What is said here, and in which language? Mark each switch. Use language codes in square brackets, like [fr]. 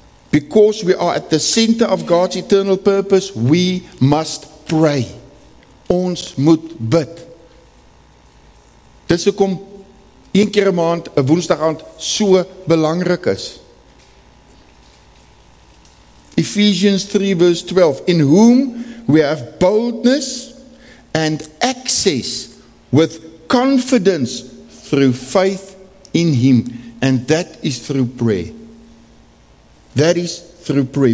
[en] Because we are at the center of God's eternal purpose, we must pray. [af] Ons moet bid. Dis hoekom een keer 'n maand, 'n woensdag aand, so belangrik is. [en] Ephesians 3 verse 12, in whom we have boldness and access with confidence through faith in him. And that is through prayer. That is through prayer.